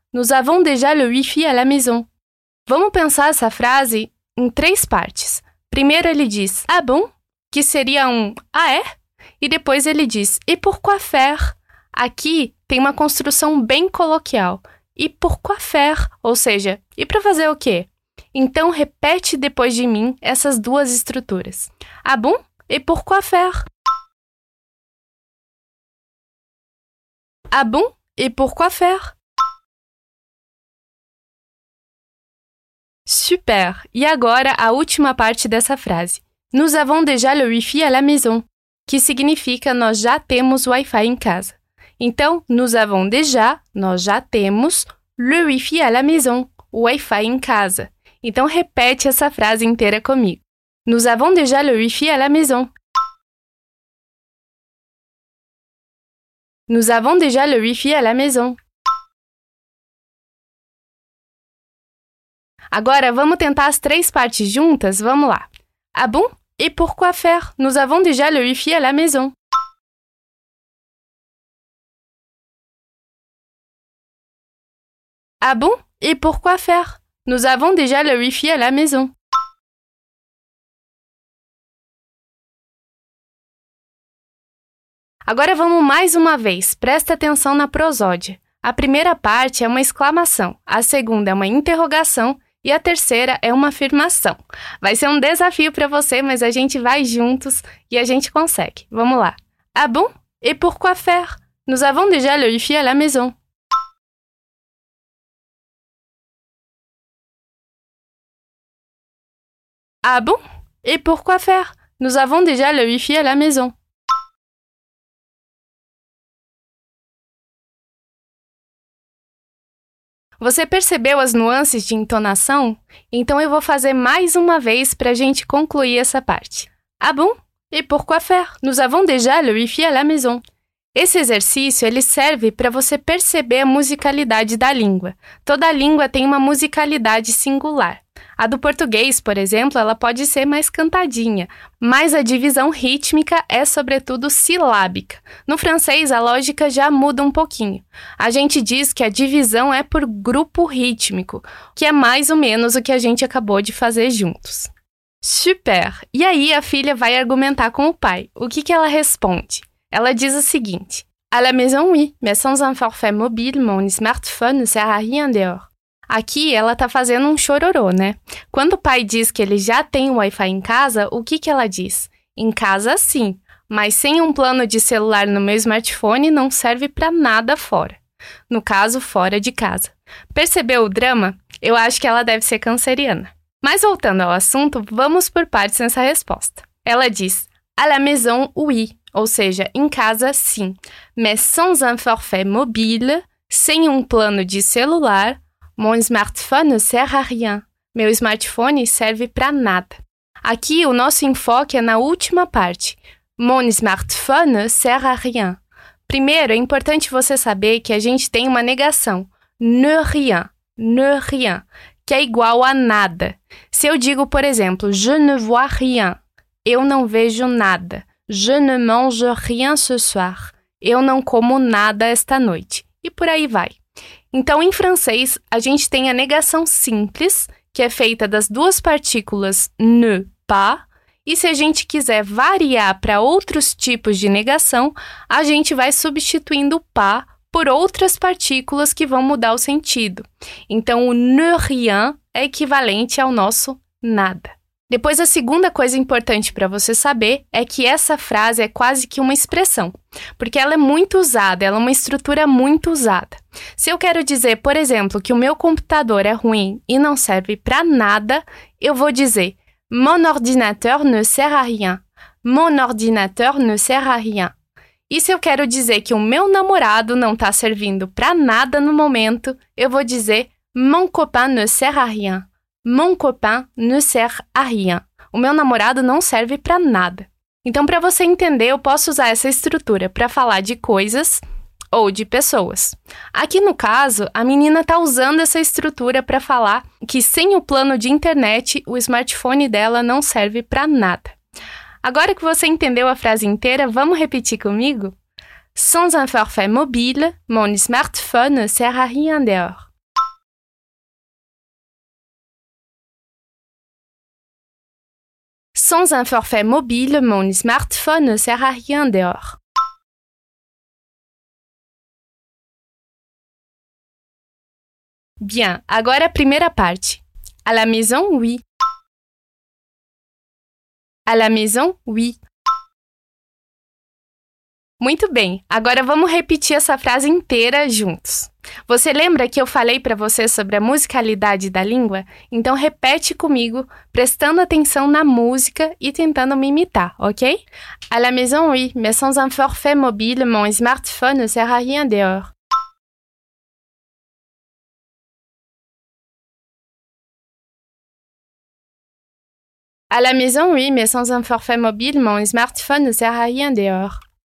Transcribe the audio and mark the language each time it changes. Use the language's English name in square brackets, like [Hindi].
[French] Nous avons déjà le wifi à la maison. [Portuguese] Vamos pensar essa frase em três partes. Primeiro ele diz, [French] ah bon? [Portuguese] Que seria um, [French] ah é? [Portuguese] E depois ele diz, [French] e por quoi faire? [Portuguese] Aqui tem uma construção bem coloquial. [French] E por quoi faire? [Portuguese] Ou seja, e para fazer o quê? Então, repete depois de mim essas duas estruturas. [French] Ah bon? Et pourquoi faire? Ah bon? Et pourquoi faire? Super! [Portuguese] E agora, a última parte dessa frase. [French] Nous avons déjà le Wi-Fi à la maison, [Portuguese] que significa nós já temos Wi-Fi em casa. Então, [French] nous avons déjà, [Portuguese] nós já temos, [French] le Wi-Fi à la maison, [Portuguese] o Wi-Fi em casa. Então, repete essa frase inteira comigo. [French] Nous avons déjà le Wi-Fi à la maison. Nous avons déjà le Wi-Fi à la maison. [Portuguese] Agora, vamos tentar as três partes juntas? Vamos lá. [French] Ah bon? Et pourquoi faire? Nous avons déjà le Wi-Fi à la maison. Ah bon? Et pourquoi faire? Nous avons déjà le Wi-Fi à la maison. [Portuguese] Agora vamos mais uma vez. Presta atenção na prosódia. A primeira parte é uma exclamação, a segunda é uma interrogação e a terceira é uma afirmação. Vai ser um desafio para você, mas a gente vai juntos e a gente consegue. [French] Vamos lá. Ah bon? Et pourquoi faire? Nous avons déjà le Wi-Fi à la maison. Ah bon? Et pourquoi faire? Nous avons déjà le Wi-Fi à la maison. [Portuguese] Você percebeu as nuances de entonação? Então eu vou fazer mais uma vez para a gente concluir essa parte. [French] Ah bon? Et pourquoi faire? Nous avons déjà le Wi-Fi à la maison. [Portuguese] Esse exercício ele serve para você perceber a musicalidade da língua. Toda língua tem uma musicalidade singular. A do português, por exemplo, ela pode ser mais cantadinha, mas a divisão rítmica é, sobretudo, silábica. No francês, a lógica já muda um pouquinho. A gente diz que a divisão é por grupo rítmico, que é mais ou menos o que a gente acabou de fazer juntos. Super! E aí a filha vai argumentar com o pai. O que, que ela responde? Ela diz o seguinte. [French] À la maison, oui, mais sans un forfait mobile, mon smartphone ne sert à rien dehors. [Portuguese] Aqui, ela está fazendo um chororô, né? Quando o pai diz que ele já tem Wi-Fi em casa, o que, que ela diz? Em casa, sim, mas sem um plano de celular no meu smartphone não serve para nada fora. No caso, fora de casa. Percebeu o drama? Eu acho que ela deve ser canceriana. Mas voltando ao assunto, vamos por partes nessa resposta. Ela diz, [French] à la maison, oui, [Portuguese] ou seja, em casa, sim, [French] mais sans un forfait mobile, [Portuguese] sem um plano de celular, [French] mon smartphone sert à rien. [Portuguese] Meu smartphone serve para nada. Aqui, o nosso enfoque é na última parte. [French] Mon smartphone sert à rien. [Portuguese] Primeiro, é importante você saber que a gente tem uma negação. [French] Ne rien. Ne rien. [Portuguese] Que é igual a nada. Se eu digo, por exemplo, [French] je ne vois rien. [Portuguese] Eu não vejo nada. [French] Je ne mange rien ce soir. [Portuguese] Eu não como nada esta noite. E por aí vai. Então, em francês, a gente tem a negação simples, que é feita das duas partículas [French] ne, pas, [Portuguese] e se a gente quiser variar para outros tipos de negação, a gente vai substituindo o pas por outras partículas que vão mudar o sentido. Então, o [French] ne rien [Portuguese] é equivalente ao nosso nada. Depois, a segunda coisa importante para você saber é que essa frase é quase que uma expressão, porque ela é muito usada, ela é uma estrutura muito usada. Se eu quero dizer, por exemplo, que o meu computador é ruim e não serve para nada, eu vou dizer [French] mon ordinateur ne sert à rien. Mon ordinateur ne sert à rien. [Portuguese] E se eu quero dizer que o meu namorado não está servindo para nada no momento, eu vou dizer [French] mon copain ne sert à rien. Mon copain ne sert à rien. [Portuguese] O meu namorado não serve para nada. Então, para você entender, eu posso usar essa estrutura para falar de coisas ou de pessoas. Aqui no caso, a menina está usando essa estrutura para falar que sem o plano de internet, o smartphone dela não serve para nada. Agora que você entendeu a frase inteira, vamos repetir comigo? [French] Sans un forfait mobile, mon smartphone ne sert à rien dehors. Sans un forfait mobile, mon smartphone ne sert à rien dehors. Bien, [Portuguese] agora a primeira parte. [French] À la maison, oui. À la maison, oui. [Portuguese] Muito bem, agora vamos repetir essa frase inteira juntos. Você lembra que eu falei para você sobre a musicalidade da língua? Então repete comigo, prestando atenção na música e tentando me imitar, ok? [French] À la maison, oui, mais sans un forfait mobile, mon smartphone ne sert à rien dehors. À la maison, oui, mais sans un forfait mobile, mon smartphone ne sert à rien dehors.